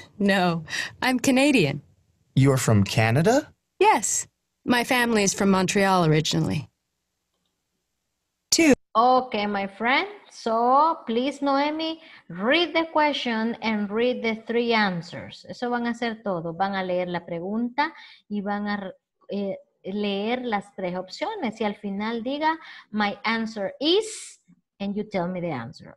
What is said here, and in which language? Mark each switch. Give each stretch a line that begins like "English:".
English: No, I'm Canadian. You're from Canada? Yes. My family is from Montreal originally. 2. Okay, my friend. So, please, Noemi, read the question and read the 3 answers.
Spanish: Eso van a hacer todo. Van a leer la pregunta y van a leer las 3 opciones. Y al final diga,
English: my answer is, and you tell me the answer.